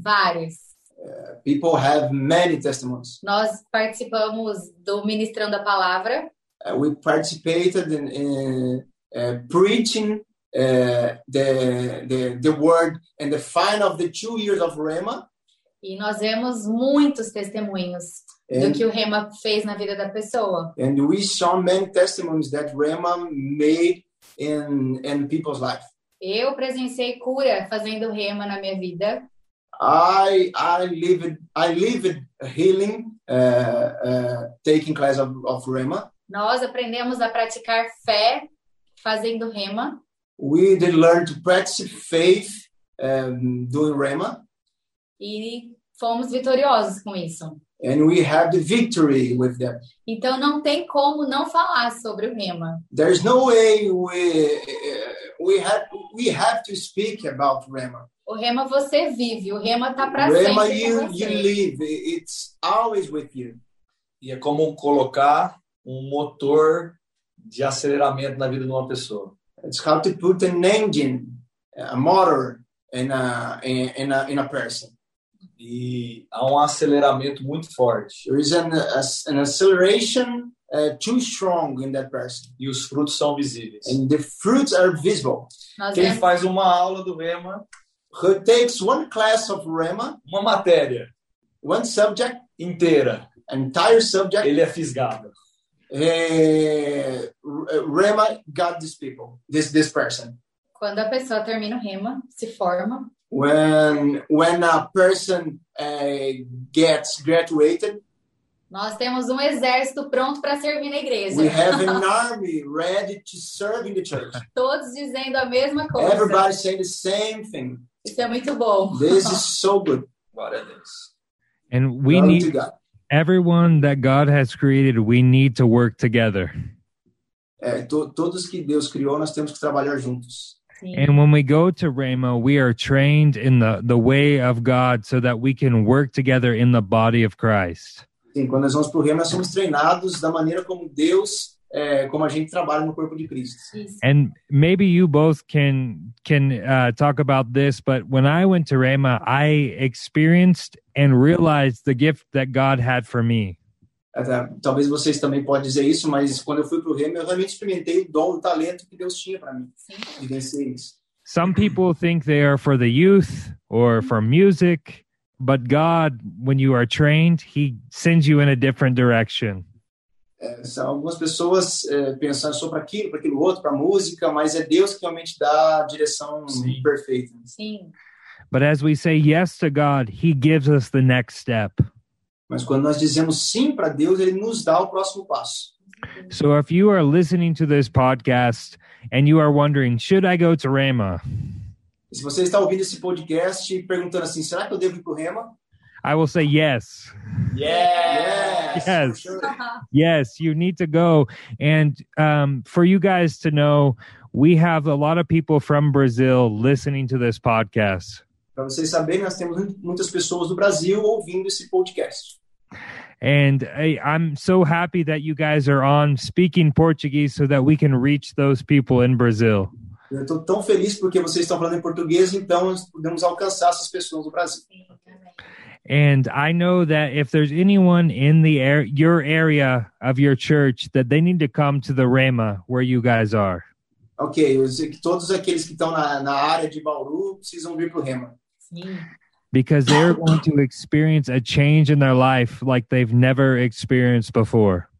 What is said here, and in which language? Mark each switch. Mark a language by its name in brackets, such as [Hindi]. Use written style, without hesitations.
[Portuguese] Vários. [English] People have many testimonies. [Portuguese] Nós participamos do Ministrando a Palavra. [English] We participated in preaching the word and the final of the 2 years of Rhema. [Portuguese] E nós vemos muitos testemunhos do que o Rhema fez na vida da pessoa. [English] And we saw many testimonies that Rhema made in people's life. [Portuguese] Eu presenciei cura fazendo Rhema na minha vida. [English] I lived healing taking class of Rhema. [Portuguese] Nós aprendemos a praticar fé fazendo Rhema. [English] We did learn to practice faith doing Rhema. [Portuguese] E fomos vitoriosos com isso. [English] And we have the victory with them. [Portuguese] Então não tem como não falar sobre o Rhema. [English] There is no way we have to speak about Rhema. [Portuguese] O Rhema você vive, o Rhema tá para sempre. [English] Rhema you live, it's always with you. [Portuguese] E é como colocar um motor de aceleramento na vida de uma pessoa. [English] It's how to put an engine, a motor, in a person. [Portuguese] E há um aceleramento muito forte. [English] There is an acceleration too strong in that person. [Portuguese] E os frutos são visíveis. [English] And the fruits are visible. [Portuguese] Nós quem faz uma aula do Rhema, [English] who takes one class of Rhema, [Portuguese] uma matéria, [English] one subject, [Portuguese] inteira, [English] entire subject, [Portuguese] ele é fisgado. [English] Rhema got these people, this person. [Portuguese] Quando a pessoa termina o Rhema, se forma. [English] When a person gets graduated. [Portuguese] Nós temos um exército pronto para servir na igreja. [English] We have an army ready to serve in the church. [Portuguese] Todos dizendo a mesma coisa. [English] Everybody saying the same thing. [Portuguese] Isso é muito bom. [English] This is so good. What it is. And we need everyone that God has created, we need to work together. [Portuguese] Todos que Deus criou, nós temos que trabalhar juntos. [English] And when we go to Rhema, we are trained in the way of God so that we can work together in the body of Christ. [Portuguese] Sim, quando nós vamos pro Rhema, nós somos treinados da maneira como Deus, como a gente trabalha no corpo de Cristo. Isso. [English] And maybe you both can talk about this, but when I went to Rhema, I experienced and realized the gift that God had for me. [Portuguese] Talvez vocês também podem dizer isso, mas quando eu fui pro Rhema, eu realmente experimentei o dom, o talento que Deus tinha para mim. Sim. De vencer isso. [English] Some people think they are for the youth or for music, but God, when you are trained, he sends you in a different direction. [Portuguese] Algumas pessoas pensam só para aquilo, para aquilo outro, para música, mas é Deus que realmente dá a direção perfeita. Sim. [English] But as we say yes to God, he gives us the next step. [Portuguese] Mas quando nós dizemos sim para Deus, ele nos dá o próximo passo. [English] So if you are listening to this podcast and you are wondering, should I go to Rhema? [Portuguese] Se você está ouvindo esse podcast e perguntando assim, será que eu devo ir para o Rhema? [English] I will say yes. Yes. Yes. Yes. Sure. Yes, you need to go. And for you guys to know, we have a lot of people from Brazil listening to this podcast. [Portuguese] Para vocês saberem, nós temos muitas pessoas do Brasil ouvindo esse podcast. [English] And I'm so happy that you guys are on speaking Portuguese so that we can reach those people in Brazil. [Portuguese] Eu estou tão feliz porque vocês estão falando em português, então nós podemos alcançar essas pessoas do Brasil. [English] And I know that if there's anyone in the your area of your church, that they need to come to the Rhema where you guys are. [Portuguese] Okay, eu sei que todos aqueles que estão na área de Bauru precisam vir pro Rhema. Sim. [English] Because they're going to experience a change in their life like they've never experienced before.